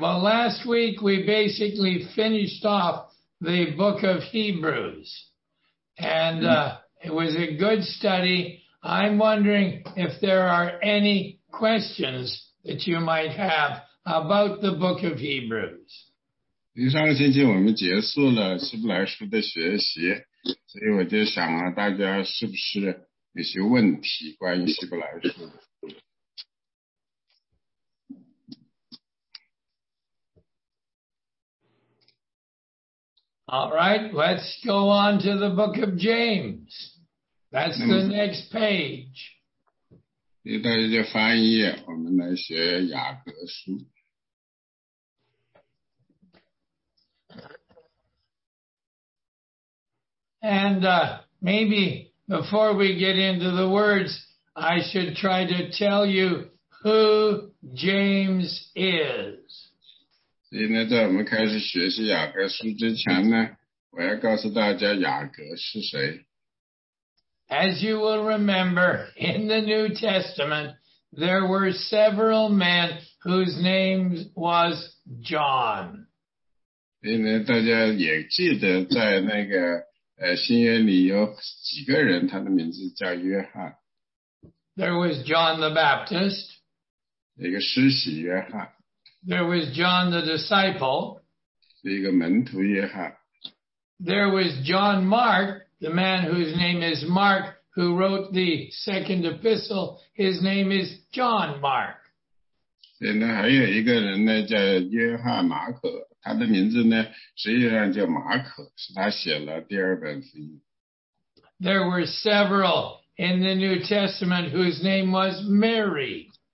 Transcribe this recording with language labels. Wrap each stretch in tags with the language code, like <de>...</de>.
<en>Well, last week we basically finished off the book of Hebrews, and it was a good study. I'm wondering if there are any questions that you might have about the book of Hebrews.</en> <zh>上个星期我们结束了希伯来书的学习，所以我就想啊，大家是不是有些问题关于希伯来书的？</zh> <en>All right, let's go on to the book of James. That's the next page.</en> <zh>所以大家就翻页，我们来学雅各书。</zh> <en>And maybe before we get into the words, I should try to tell you who James is.</en> <zh>所以呢，在我们开始学习雅各书之前呢，我要告诉大家雅各是谁。</zh> <en>As you will remember, in the New Testament, there were several men whose name was John.</en> <zh>因为大家也记得在那个新约里有几个人，他的名字叫约翰。</zh> <en>There was John the Baptist.</en> <zh>一个施洗约翰。</zh> <en>There was John the disciple.</en> <zh>一个门徒约翰。</zh> <en>There was John Mark, the man whose name is Mark, who wrote the second epistle. His name is John Mark.</en> <zh>还有一个人呢，叫约翰马可。他的名字呢，实际上叫马可，是他写了第二本福音。</zh> <en>There were several in the New Testament whose name was Mary.</en>